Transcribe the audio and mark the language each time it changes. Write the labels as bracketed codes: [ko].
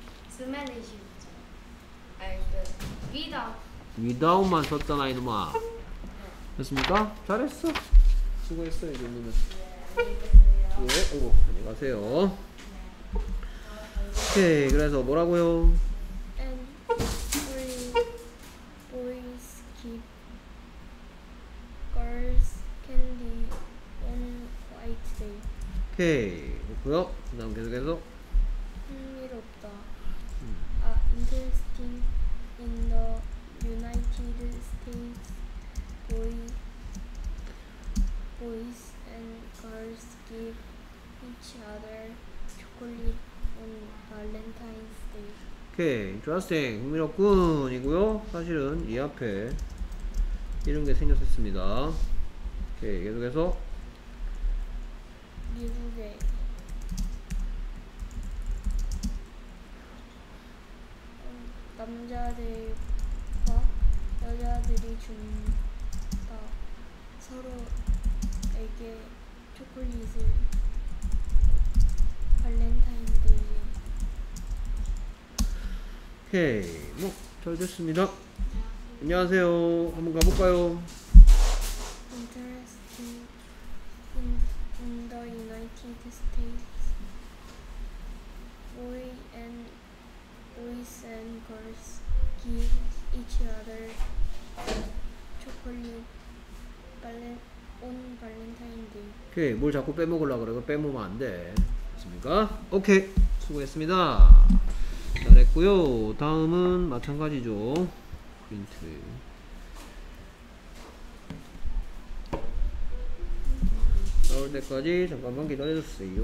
[ko] Smell이시죠. 위다운만 썼잖아 이놈아. 됐습니까? 잘했어. 수고했어 이 정도면. 예, 예. 오, 안녕하세요. 오케이, 그래서 뭐라고요? [en] And only boys keep girls candy on white day. [ko] 오케이, 그렇고요. 그다음 계속해서. 흥미롭다. 아, [en] interesting. In the United States, boys and girls give each other chocolate on Valentine's Day. Okay, interesting. [ko] 흥미롭군이고요. 사실은 이 앞에 이런 게 생겼었습니다. Okay, 계속해서. 미국에. 남자들과 여자들이 준다 서로에게 초콜릿을 발렌타인데이. 오케이, 뭐 잘 됐습니다. 안녕하세요. 한번 가볼까요? [en] Interesting. In the United States, boys and girls give each other chocolate on Valentine's Day. [ko] 오케이, 뭘 자꾸 빼먹으려고 그래. 그거 빼먹으면 안 돼. 됐습니까? 오케이, 수고했습니다. 잘했고요. 다음은 마찬가지죠. 프린트. 나올 때까지 잠깐만 기다려주세요.